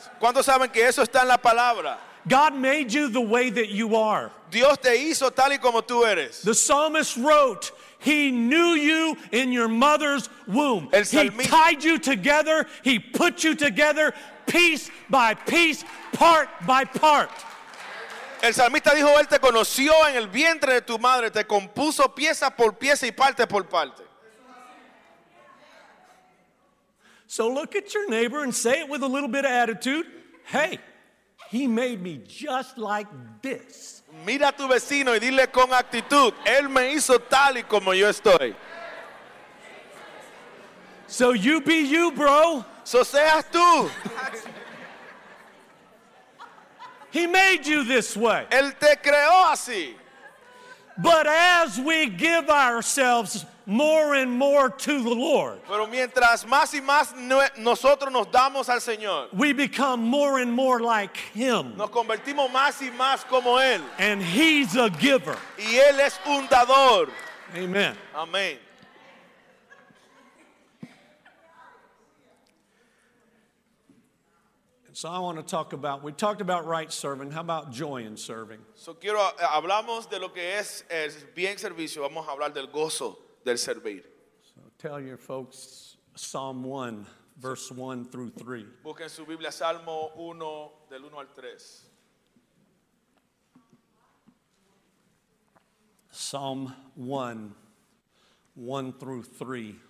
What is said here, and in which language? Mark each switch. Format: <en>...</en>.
<es>¿Cuántos saben que eso está en la palabra?</es> <en>God made you the way that you are.</en> <es>Dios te hizo tal y como tú eres.</es> <en>The psalmist wrote, he knew you in your mother's womb. He tied you together. He put you together piece by piece, part by part.</en> <es>El salmista dijo, él te conoció en el vientre de tu madre, te compuso pieza por pieza y parte por parte.</es> <en>So look at your neighbor and say it with a little bit of attitude. Hey, he made me just like this.</en> <es>Mira a tu vecino y dile con actitud, él me hizo tal y como yo estoy.</es> <en>So you be you, bro.</en> <es>So seas tú.</es> <en>He made you this way.</en> <es>Él te creó así.</es> <en>But as we give ourselves more and more to the Lord,</en> <es>pero mientras más y más nosotros nos damos al Señor,</es> <en>we become more and more like Him.</en> <es>Nos convertimos más y más como Él.</es> <en>And He's a giver.</en> <es>Y Él es un dador.</es> <en>Amen.</en> <es>Amen.</es> <en>So I want to talk about, we talked about right serving. How about joy in serving?</en> <es>So quiero, hablamos de lo que es el bien servicio. Vamos a hablar del gozo del servir.</es> <en>So tell your folks Psalm 1, verse 1 through 3.</en> <es>Busquen su Biblia, Salmo 1, del 1 al 3.</es> <en>Psalm 1, 1 through 3.</en>